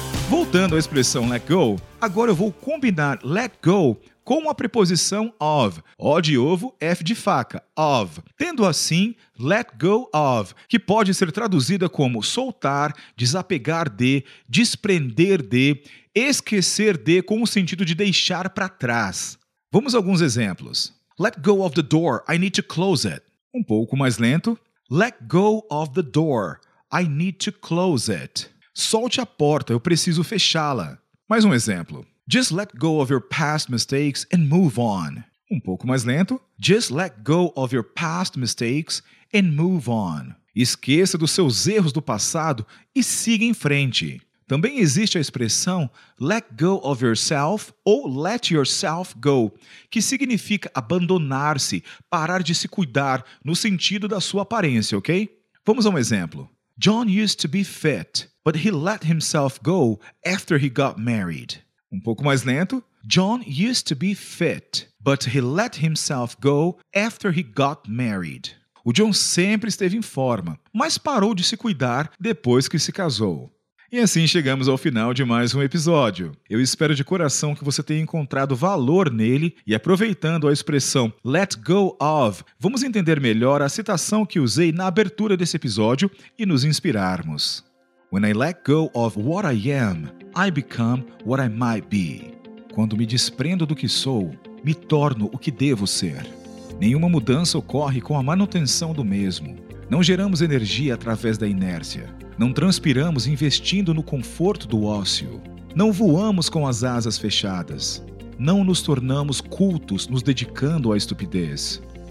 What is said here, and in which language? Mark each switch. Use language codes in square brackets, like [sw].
[pt] Voltando à expressão let go, agora eu vou combinar let go com a preposição of, O de ovo, F de faca, of, tendo assim let go of, que pode ser traduzida como soltar, desapegar de, desprender de, esquecer de, com o sentido de deixar para trás. Vamos a alguns exemplos. [en] Let go of the door, I need to close it. [pt] Um pouco mais lento. [en] Let go of the door, I need to close it. [pt] Solte a porta, eu preciso fechá-la. Mais um exemplo. [en] Just let go of your past mistakes and move on. [pt] Um pouco mais lento. [en] Just let go of your past mistakes and move on. [pt] Esqueça dos seus erros do passado e siga em frente. Também existe a expressão let go of yourself ou let yourself go, que significa abandonar-se, parar de se cuidar no sentido da sua aparência, ok? Vamos a um exemplo. [en] John used to be fit, but he let himself go after he got married. [pt] Um pouco mais lento. [en] John used to be fit, but he let himself go after he got married. [pt] O John sempre esteve em forma, mas parou de se cuidar depois que se casou. E assim chegamos ao final de mais um episódio. Eu espero de coração que você tenha encontrado valor nele e aproveitando a expressão let go of, vamos entender melhor a citação que usei na abertura desse episódio e nos inspirarmos. [en] When I let go of what I am, I become what I might be. [pt] Quando me desprendo do que sou, me torno o que devo ser. Nenhuma mudança ocorre com a manutenção do mesmo. Não geramos energia através da inércia. Não transpiramos investindo no conforto do ócio. Não voamos com as asas fechadas. Não nos tornamos cultos nos dedicando à estupidez.